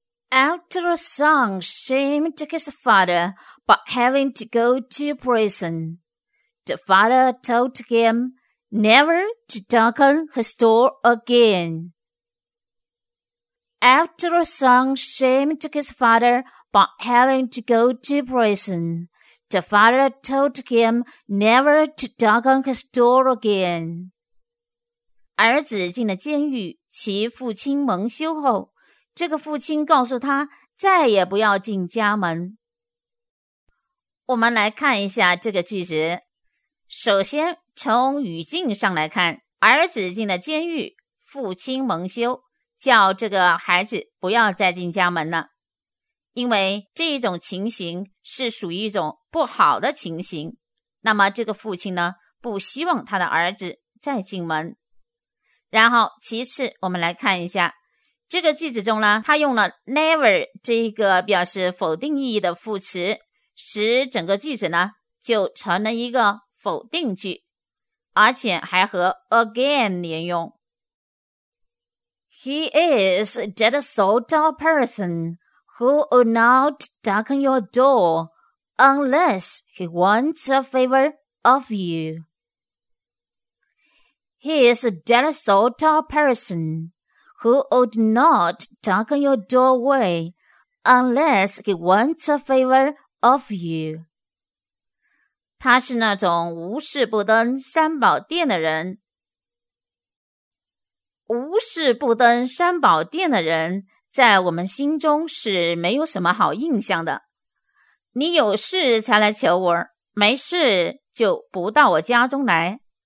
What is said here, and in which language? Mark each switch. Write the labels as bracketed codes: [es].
[en] After a son shamed his father by having to go to prison, the father told him never to darken his door again. After a son shamed his father by having to go to prison, the father told him never to darken his door again. [zh] 儿子进了监狱，其父亲蒙羞后，这个父亲告诉他再也不要进家门。我们来看一下这个句子。首先从语境上来看，儿子进了监狱，父亲蒙羞叫这个孩子不要再进家门了。因为这一种情形是属于一种不好的情形，那么这个父亲呢不希望他的儿子再进门。然后其次我们来看一下这个句子中呢，它用了 never 这一个表示否定意义的副词，使整个句子呢就成了一个否定句，而且还和 again 连用。 [en] He is that sort of person who will not darken your door unless he wants a favor of you. He is that sort of person who would not darken your doorway unless he wants a favor of you. [zh] 他是那种无事不登三宝殿的人。无事不登三宝殿的人在我们心中是没有什么好印象的。你有事才来求我，没事就不到我家中来。